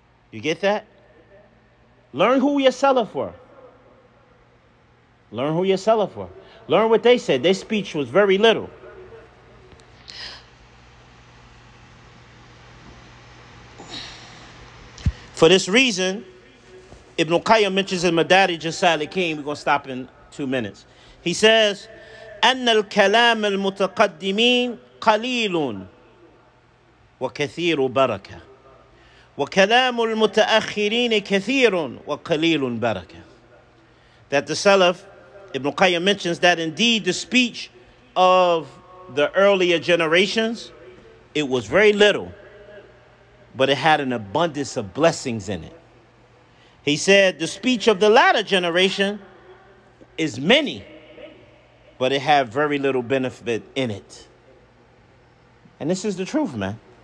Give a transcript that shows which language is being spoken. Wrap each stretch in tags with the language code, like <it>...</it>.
<en>You get that? Learn who your Salaf were. Learn who your Salaf were. Learn what they said. Their speech was very little. For this reason, Ibn Qayyim mentions in Madarij as-Salikin, we're going to stop in 2 minutes.</en> <ar>He says, أن الكلام المتقدمين قليل وكثير بركة وكلام المتأخرين كثير وقليل بركة.</ar> <en>That the Salaf, Ibn Qayyim mentions that indeed the speech of the earlier generations, it was very little, but it had an abundance of blessings in it. He said the speech of the latter generation is many, but it had very little benefit in it. And this is the truth, man.</en>